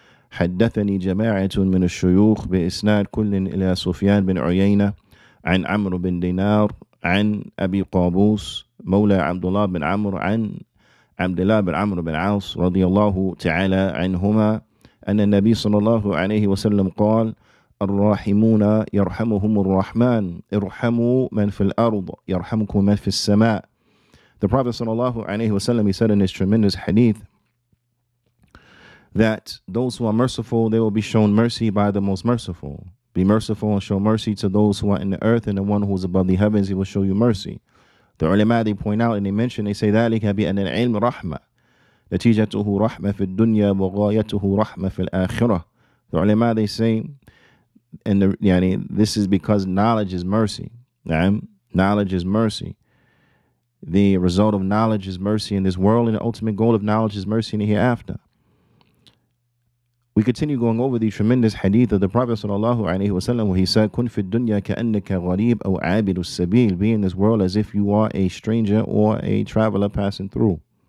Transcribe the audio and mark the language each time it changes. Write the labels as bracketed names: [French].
[Arabic] حدثني جماعة من الشيوخ بإسناد كل إلى سفيان بن عيينة عن عمرو بن دينار عن أبي قابوس مولى عبد الله بن عمرو عن عبد الله بن عمرو بن عاص رضي الله تعالى عنهما أن النبي صلى الله عليه وسلم قال: الراحمون يرحمهم الرحمن, ارحموا من في الأرض يرحمكم من في السماء. [English] The Prophet sallallahu alayhi wasallam, he said in his tremendous hadith that those who are merciful, they will be shown mercy by the most merciful. Be merciful and show mercy to those who are in the earth, and the one who is above the heavens, he will show you mercy. The ulama, they point out and they mention, they say, [Arabic] ذَلِكَ بِأَنَّ الْعِلْمِ رَحْمَةِ نَتِيجَتُهُ رَحْمَةِ فِي الدُّنْيَا وَغَايَتُهُ رَحْمَةِ فِي الْآخِرَةِ. [English] The ulama, they say, and the, yani, this is because knowledge is mercy. Knowledge is mercy. The result of knowledge is mercy in this world, and the ultimate goal of knowledge is mercy in the hereafter. We continue going over the tremendous hadith of the Prophet sallallahu alaihi wasallam, where he said, [Arabic] "Kun fi dunya ka annaka gharib aw abid as-sabil," [English] be in this world as if you are a stranger or a traveler passing through.